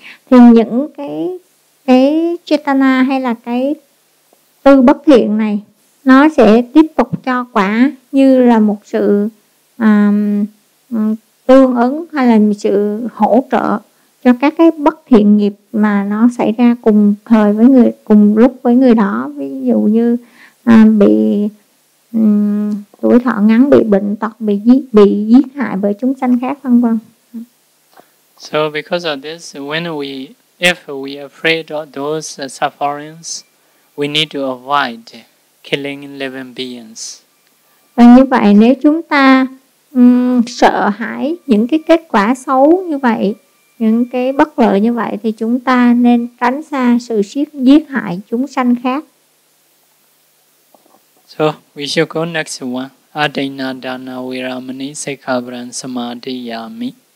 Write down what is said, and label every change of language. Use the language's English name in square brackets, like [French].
[Vietnamese] Thì những cái chitana hay là cái tư bất thiện này, nó sẽ tiếp tục cho quả như là một sự tương ứng, hay là một sự hỗ trợ cho các cái bất thiện nghiệp mà nó xảy ra cùng thời với người, cùng lúc với người đó. Ví dụ như bị tuổi thọ ngắn, bị bệnh tật, bị giết hại bởi chúng sanh khác, vân vân. [English] So because of this, if we afraid of those sufferings, we need to avoid killing living beings. [Vietnamese] Và như vậy, nếu chúng ta sợ hãi những cái kết quả xấu như vậy, những cái bất lợi như vậy thì chúng ta nên tránh xa sự giết hại chúng sanh khác. [English] So, we shall go next one. [Pali] Adina dana viramani sekhavran samadhi yami.